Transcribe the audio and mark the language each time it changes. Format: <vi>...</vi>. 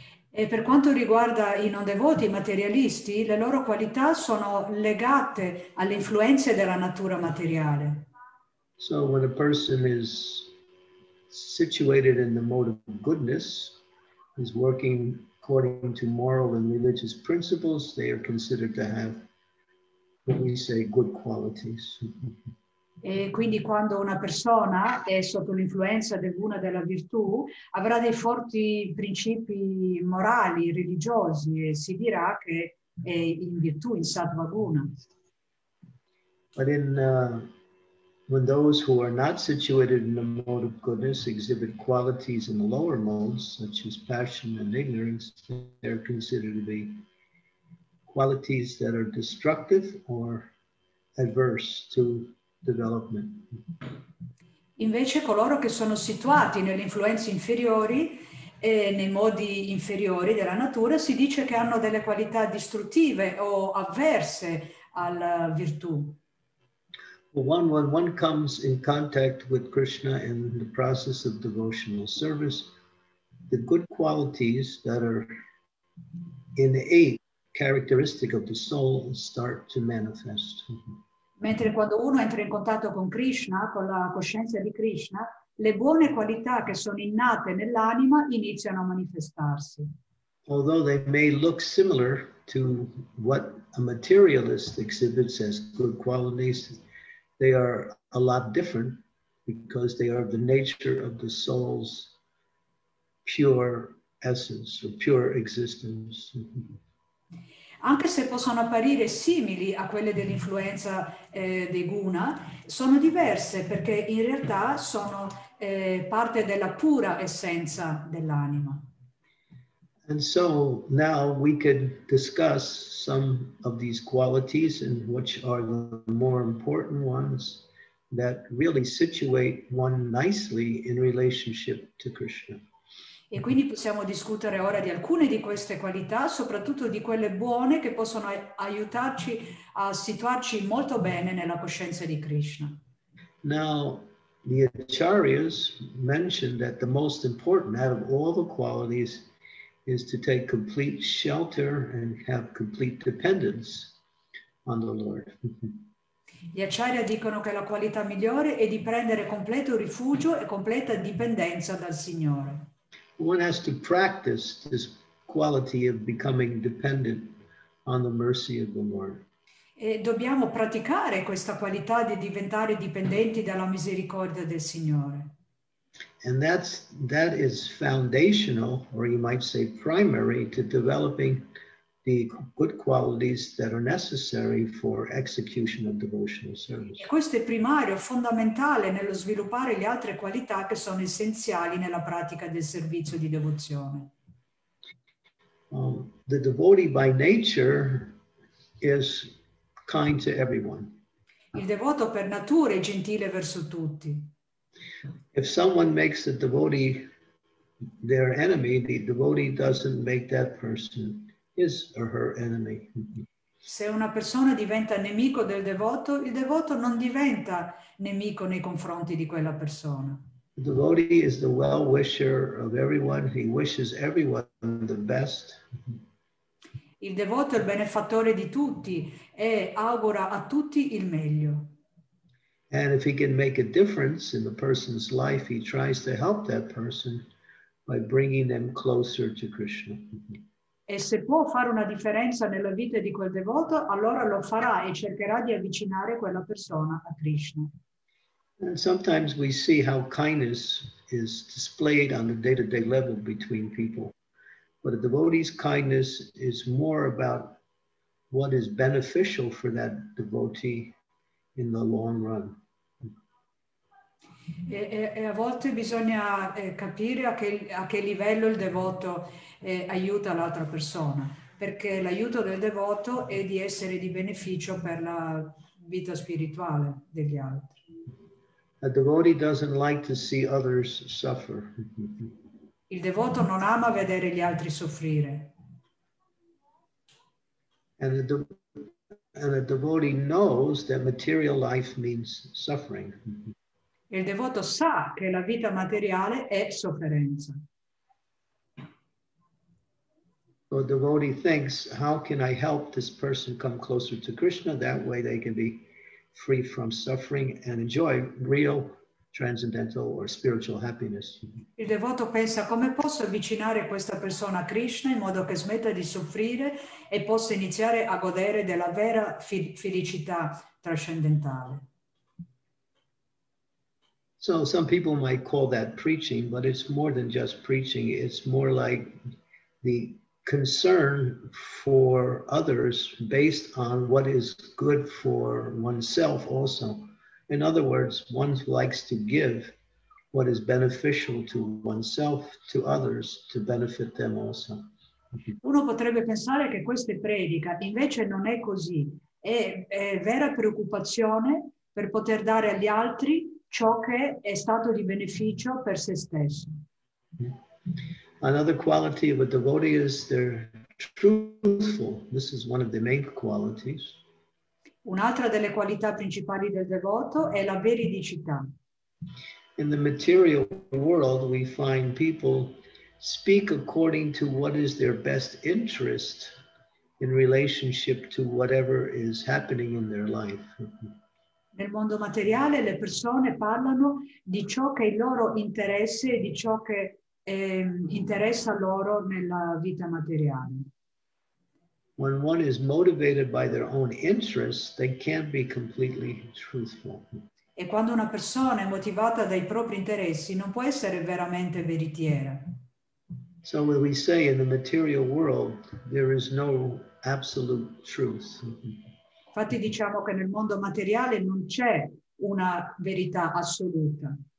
<it>E per quanto riguarda i non devoti, i materialisti, le loro qualità sono legate alle influenze della natura materiale.</it> <en>So when a person is situated in the mode of goodness, is working according to moral and religious principles, they are considered to have what we say good qualities.</en> <it>E quindi quando una persona è sotto l'influenza del guna della virtù avrà dei forti principi morali, religiosi e si dirà che è in virtù, in sattva guna.</it> <en>But in When those who are not situated in the mode of goodness exhibit qualities in the lower modes, such as passion and ignorance, they are considered to be qualities that are destructive or adverse to development.</en> <it>Invece coloro che sono situati nelle influenze inferiori e nei modi inferiori della natura si dice che hanno delle qualità distruttive o avverse alla virtù.</it> <en>When one comes in contact with Krishna in the process of devotional service, the good qualities that are innate characteristic of the soul start to manifest.</en> <it>Mentre quando uno entra in contatto con Krishna, con la coscienza di Krishna, le buone qualità che sono innate nell'anima iniziano a manifestarsi.</it> <en>Although they may look similar to what a materialist exhibits as good qualities, they are a lot different because they are the nature of the soul's pure essence or pure existence.</en> <it>Anche se possono apparire simili a quelle dell'influenza dei guna, sono diverse perché in realtà sono parte della pura essenza dell'anima.</it> <en>And so now we could discuss some of these qualities and which are the more important ones that really situate one nicely in relationship to Krishna.</en> <it>E quindi possiamo discutere ora di alcune di queste qualità, soprattutto di quelle buone che possono aiutarci a situarci molto bene nella coscienza di Krishna.</it> <en>Now, the acharyas mentioned that the most important out of all the qualities is to take complete shelter and have complete dependence on the Lord.</en> <it>Gli acharya dicono che la qualità migliore è di prendere completo rifugio e completa dipendenza dal Signore.</it> <en>One has to practice this quality of becoming dependent on the mercy of the Lord.</en> <it>E dobbiamo praticare questa qualità di diventare dipendenti dalla misericordia del Signore.</it> <en>And that is foundational, or you might say primary, to developing the good qualities that are necessary for execution of devotional service.</en> <it>E questo è primario, fondamentale nello sviluppare le altre qualità che sono essenziali nella pratica del servizio di devozione.</it> <en>The devotee by nature is kind to everyone.</en> <it>Il devoto per natura è gentile verso tutti.</it> <en>If someone makes the devotee their enemy, the devotee doesn't make that person his or her enemy.</en> <it>Se una persona diventa nemico del devoto, il devoto non diventa nemico nei confronti di quella persona.</it> <en>The devotee is the well-wisher of everyone. He wishes everyone the best.</en> <it>Il devoto è il benefattore di tutti e augura a tutti il meglio.</it> <en>And if he can make a difference in the person's life, he tries to help that person by bringing them closer to Krishna.</en> <it>E se può fare una differenza nella vita di quel devoto, allora lo farà e cercherà di avvicinare quella persona a Krishna.</it> <en>And sometimes we see how kindness is displayed on the day-to-day level between people. But a devotee's kindness is more about what is beneficial for that devotee in the long run.</en> <it>E a volte bisogna capire a che livello il devoto aiuta l'altra persona, perché l'aiuto del devoto è di essere di beneficio per la vita spirituale degli altri.</it> <en>A devotee doesn't like to see others suffer.</en> <it>Il devoto non ama vedere gli altri soffrire.</it> <en>And a devotee knows that material life means suffering.</en> <it>Il devoto sa che la vita materiale è sofferenza.</it> <en>So a devotee thinks, how can I help this person come closer to Krishna? That way they can be free from suffering and enjoy real transcendental or spiritual happiness.</en> <it>Il devoto pensa, come posso avvicinare questa persona a Krishna in modo che smetta di soffrire e possa iniziare a godere della vera felicità trascendentale.</it> <en>So some people might call that preaching, but it's more than just preaching. It's more like the concern for others based on what is good for oneself also In other words, one likes to give what is beneficial to oneself, to others, to benefit them also.</en> <it>Uno potrebbe pensare che questa è predica, invece non è così. È vera preoccupazione per poter dare agli altri ciò che è stato di beneficio per se stesso.</it> <en>Another quality of a devotee is they're truthful. This is one of the main qualities.</en> <it>Un'altra delle qualità principali del devoto è la veridicità.</it> <en>In the material world we find people speak according to what is their best interest in relationship to whatever is happening in their life.</en> <it>Nel mondo materiale le persone parlano di ciò che è il loro interesse e di ciò che interessa loro nella vita materiale.</it> <en>When one is motivated by their own interests, they can't be completely truthful.</en> <it>E quando una persona è motivata dai propri interessi, non può essere veramente veritiera.</it> <en>So when we say in the material world, there is no absolute truth.</en> <it>Infatti diciamo che nel mondo materiale non c'è una verità assoluta.</it>